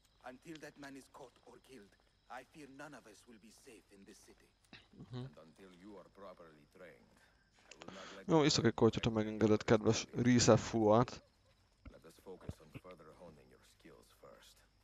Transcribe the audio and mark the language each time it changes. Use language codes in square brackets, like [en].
[en] Until that man is caught or killed, I fear none of us will be safe in this city. Mm-hmm. And until you are properly trained, I will not let you... [hu] Jó, iszok egy kortyot, ha megengedett, kedves Rizefuat. [en] Let us focus on further honing your skills first.